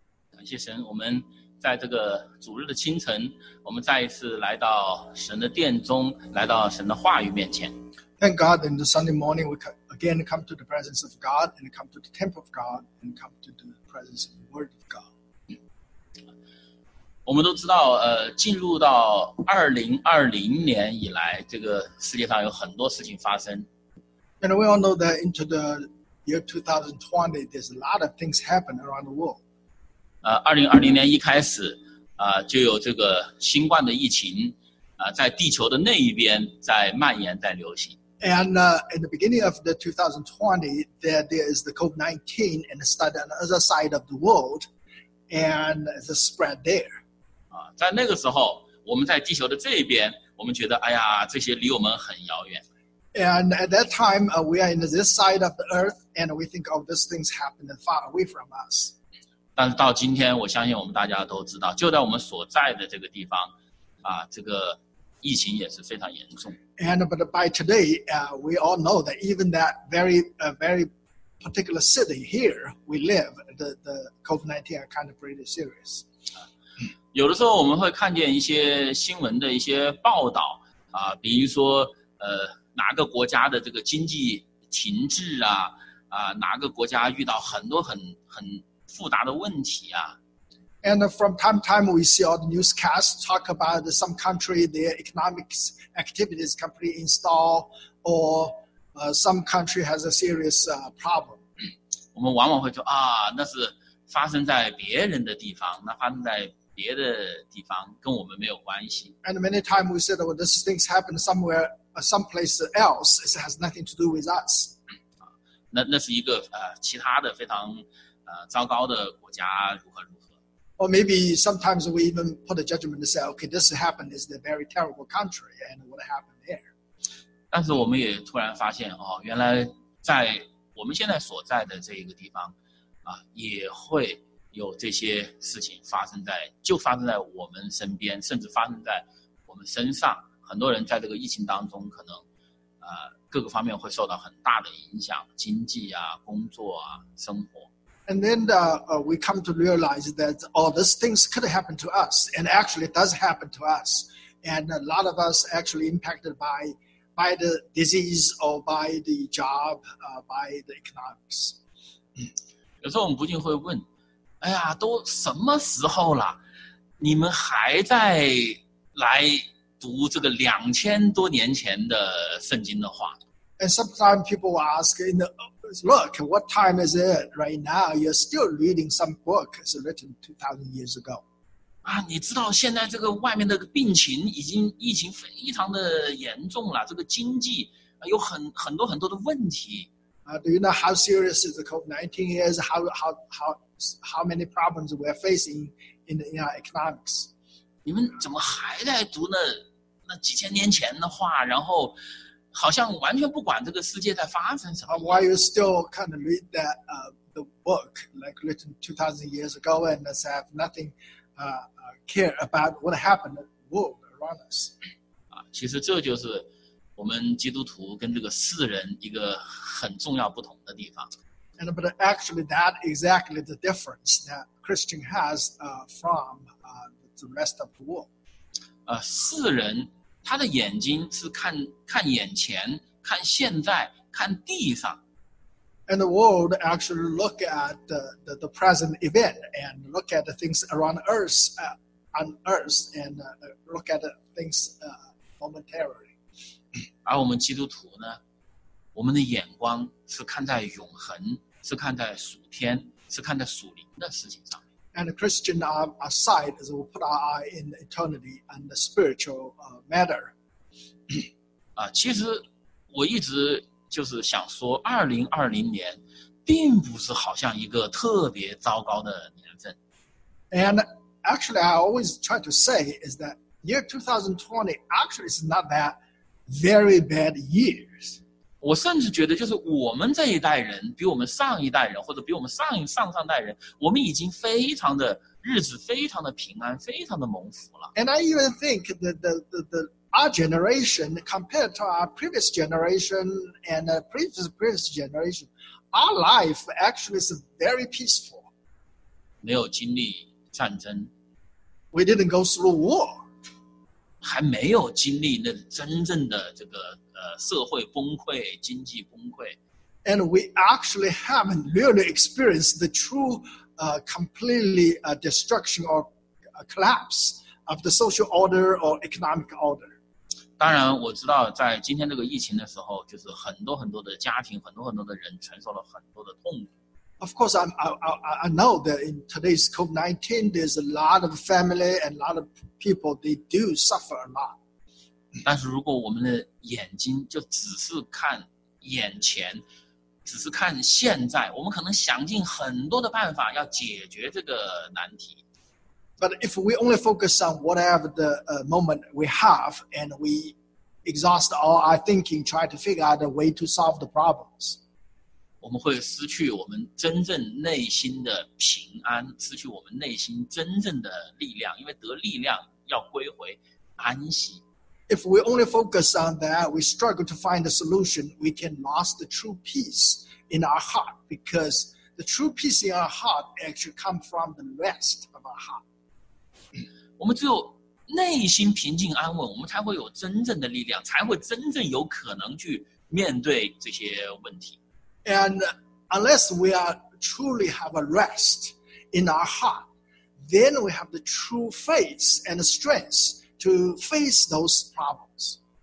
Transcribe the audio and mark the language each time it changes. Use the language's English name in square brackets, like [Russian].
[Chinese] 感谢神，我们在这个主日的清晨，我们再一次来到神的殿中，来到神的话语面前。 [English] Thank God, in the Sunday morning, we again come to the presence of God, and come to the temple of God, and come to the presence of the Word of God.、嗯、 [Chinese] 我们都知道，进入到2020年以来，这个世界上有很多事情发生。 [English] And we all know that into the year 2020, there's a lot of things happen around the world. [Chinese] 2020年一开始就有这个新冠的疫情在地球的那一边在蔓延在流行。 [English] And in the beginning of the 2020, there is the COVID-19 and it started on the other side of the world and the spread there. [Chinese] 在那个时候我们在地球的这一边我们觉得哎呀这些离我们很遥远。 [English] And at that time, we are in this side of the earth and we think of these things happening far away from us. [Chinese] 但是到今天我相信我们大家都知道就在我们所在的这个地方这个疫情也是非常严重。 [English] And but by today, we all know that even that very, very particular city here we live, the COVID-19 are kind of pretty serious. [Chinese] 有的时候我们会看见一些新闻的一些报道比如说哪个国家的这个经济停滞哪个国家遇到很多很复杂的问题啊。 [English] And from time to time, we see all the newscasts talk about some country, their economic activities completely installed, or some country has a serious problem. [Chinese] 我们往往会说啊，那是发生在别人的地方，那发生在别的地方跟我们没有关系。 [English] And many times we said, well, these things happen somewhere, someplace else, it has nothing to do with us. [Chinese] 那是一个其他的非常糟糕的国家如何如何 [English] ？Or maybe sometimes we even put a judgment to say, okay, this happened is a very terrible country, and what happened there? [Chinese] 但是我们也突然发现哦，原来在我们现在所在的这一个地方也会有这些事情发生在，就发生在我们身边，甚至发生在我们身上。很多人在这个疫情当中，可能各个方面会受到很大的影响，经济啊，工作啊，生活。 [English] And then we come to realize that all these things could happen to us, and actually it does happen to us. And a lot of us actually impacted by the disease or by the job, by the economics. [Chinese] 有时候我们不禁会问，哎呀，都什么时候了，你们还在来读这个两千多年前的圣经的话？ [English] And sometimes people will ask, look, what time is it right now? You're still reading some book that's written 2,000 years ago. [Chinese] 啊，你知道现在这个外面的病情已经疫情非常的严重了，这个经济有很多很多的问题。 [English] Do you know how serious the COVID-19 is? How many problems we're facing in our economics? [Chinese] 你们怎么还在读那几千年前的话，然后好像完全不管这个世界在发生什么？ [English] Why are you still kind of read that the book like written 2,000 years ago and have nothing care about what happened in the world around us? [Chinese] 其实这就是我们基督徒跟这个世人一个很重要不同的地方。 [English] And but actually, that exactly the difference that Christian has from the rest of the world. [Chinese] 世人他的眼睛是看眼前、看现在、看地上。 [English] And the world actually look at the present event and look at the things around earth, on earth, and look at things momentarily. [Chinese] 而我们基督徒呢，我们的眼光是看在永恒，是看在属天，是看在属灵的事情上面。 [English] And Christian on our side is we put our eye in eternity and the spiritual matter. [Chinese] 其实我一直就是想说，2020年并不是好像一个特别糟糕的年份。 [English] And actually, I always try to say is that year 2020 actually is not that. Very bad years. [Chinese] 我甚至觉得，就是我们这一代人，比我们上一代人，或者比我们上上上代人，我们已经非常的日子，非常的平安，非常的蒙福了。 [English] And I even think that the our generation, compared to our previous generation and previous generation, our life actually is very peaceful. [Chinese] 没有经历战争。 [English] We didn't go through war. [Chinese] 还没有经历那真正的这个社会崩溃、经济崩溃。 [English] And we actually haven't really experienced the true, completely destruction or collapse of the social order or economic order. [Chinese] 当然，我知道在今天这个疫情的时候，就是很多很多的家庭、很多很多的人承受了很多的痛苦。 [English] Of course, I know that in today's COVID-19, there's a lot of family and a lot of people, they do suffer a lot. [Chinese] 但是如果我们的眼睛就只是看眼前，只是看现在，我们可能想尽很多的办法要解决这个难题。 [English] But if we only focus on whatever the moment we have, and we exhaust all our thinking, try to figure out a way to solve the problems, [Chinese] 我们会失去我们真正内心的平安，失去我们内心真正的力量，因为得力量要归回安息。 [English] If we only focus on that, we struggle to find a solution, we can lose the true peace in our heart, because the true peace in our heart actually comes from the rest of our heart. [Chinese] 我们只有内心平静安稳，我们才会有真正的力量，才会真正有可能去面对这些问题。 [English] And unless we are truly have a rest in our heart, then we have the true faith and strength to face those problems.